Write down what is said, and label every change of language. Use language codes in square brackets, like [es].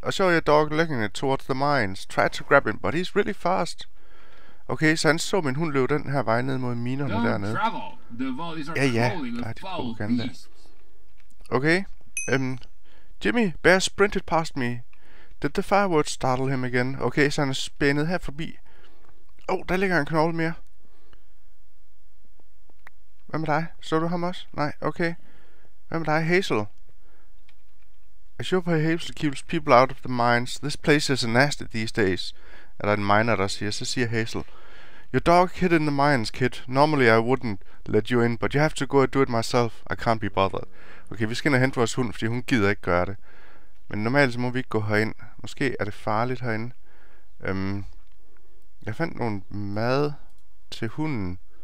[en] I saw your dog licking it towards the mines. Tried to grab him, but he's really fast. [da] Okay, så han så min hund løbe den her vej ned mod minerne dernede. Ja, ja, der er de propaganda. [en] Okay, Jimmy, Bear sprinted past me. Did the fireworks startle him again? [da] Okay, så han er spændet her forbi. Oh, der ligger en knogle mere. Hvad med dig? Så du ham også? Nej, okay. Hvad med dig, Hazel? [en] I sure hope Hazel keeps people out of the mines. This place is a nasty these days. [da] Er der en miner, der siger? Så siger Hazel. [en] Your dog hid in the mines, kid. Normally I wouldn't let you in, but you have to go and do it myself. I can't be bothered. [da] Okay, vi skal ind og hente vores hund, fordi hun gider ikke gøre det. Men normalt så må vi ikke gå herind. Måske er det farligt herinde. Jeg fandt nogle mad til hunden.